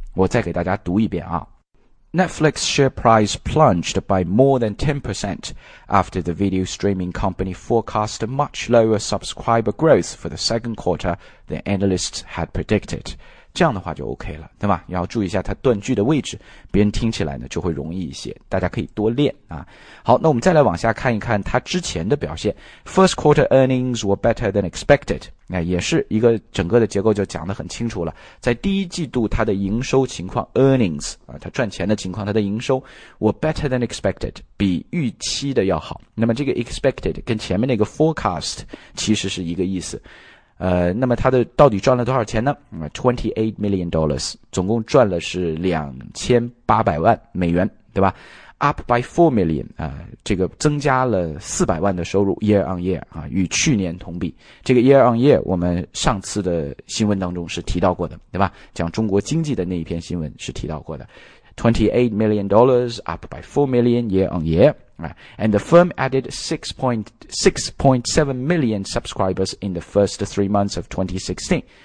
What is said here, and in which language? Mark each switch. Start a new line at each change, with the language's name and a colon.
English: 我再给大家读一遍啊， Netflix share price plunged by more than 10% after the video streaming company forecast much lower subscriber growth for the second quarter than analysts had predicted，
Chinese: 这样的话就 OK 了，对吧？要注意一下它断句的位置，别人听起来呢就会容易一些，大家可以多练啊。好，那我们再来往下看一看它之前的表现。
English: First quarter earnings were better than expected，
Chinese: 那也是一个整个的结构就讲得很清楚了，在第一季度它的营收情况 earnings 啊，它赚钱的情况，它的营收
English: were better than expected，
Chinese: 比预期的要好。那么这个 expected 跟前面那个 forecast 其实是一个意思。那么他的到底赚了多少钱呢？ $28 million， 总共赚了是$28 million，对吧 ？
English: Up by $4 million，
Chinese: 这个增加了$400,000的收入
English: year on year
Chinese: 啊，与去年同比。这个 year on year 我们上次的新闻当中是提到过的，对吧？讲中国经济的那一篇新闻是提到过的。
English: $28 million up by $4 million year on year。 And the firm added 6.7 million subscribers in the first 3 months of 2016,